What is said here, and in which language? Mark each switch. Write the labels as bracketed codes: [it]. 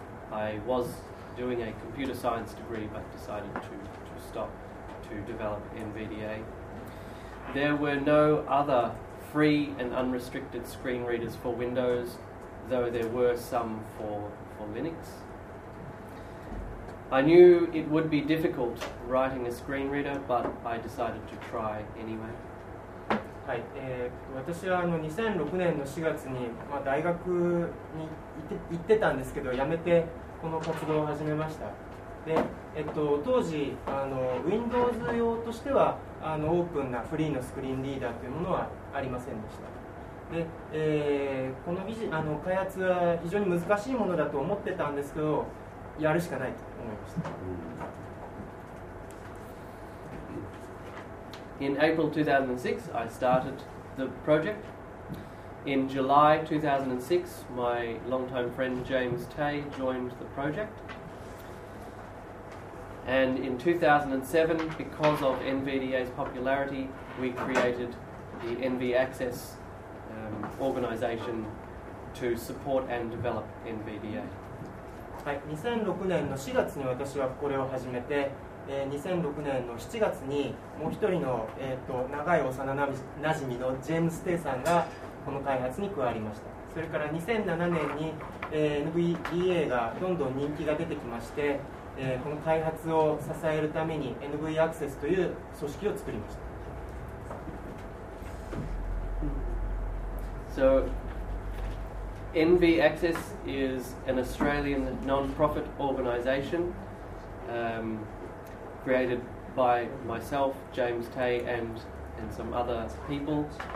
[en] I was doing a computer science degree but decided to stop to develop NVDA. There were no other free and unrestricted screen readers for Windows, though there were some for Linux. I knew it would be difficult writing a screen reader, but I decided to try anyway. [ja] はい、私は2006年の4月に、大学に行ってたんですけど、辞めてこの活動を始めました。で、当時Windows 用としてはオープンなフリーのスクリーンリーダーというものはありませんでした。で、この開発は非常に難しいものだと思ってたんですけど、やるしかないと思いました。 [en] In April 2006, I started the project. In July 2006, my longtime friend James Tay joined the project. And in 2007, because of NVDA's popularity, we created the NV Access organization to support and develop NVDA. [ja] はい、2006年の4月に私はこれを始めて、2006年の7月にもう一人の、長い幼なじみのジェームス・テイさんがこの開発に加わりました。それから2007年に、NVDA がどんどん人気が出てきまして、この開発を支えるために NV アクセスという組織を作りました。 [en] So NV Access is an Australian non-profit organization created by myself, James Tay, and some other people.